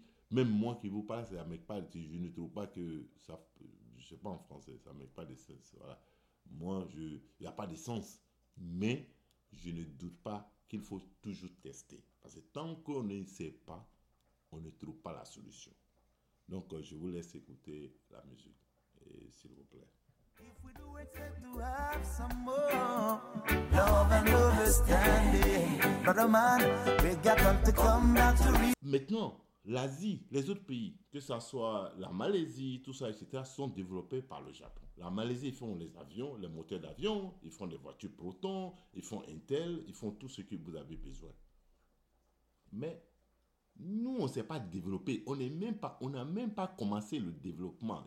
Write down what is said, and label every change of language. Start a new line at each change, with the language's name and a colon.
French: Même moi qui vous parle, ça ne me parle pas, je ne trouve pas que ça, je ne sais pas en français, ça ne me parle pas de sens. Voilà. Moi, il n'y a pas de sens. Mais je ne doute pas qu'il faut toujours tester. Parce que tant qu'on ne sait pas, on ne trouve pas la solution. Donc, je vous laisse écouter la musique, s'il vous plaît.
English: If we do expect to have some more love and understanding, brother man, we got them to come back to me.
French: Maintenant. L'Asie, les autres pays, que ce soit la Malaisie, tout ça, etc., sont développés par le Japon. La Malaisie, ils font les avions, les moteurs d'avion, ils font des voitures Proton, ils font Intel, ils font tout ce que vous avez besoin. Mais nous, on ne s'est pas développé. On n'a même pas commencé le développement.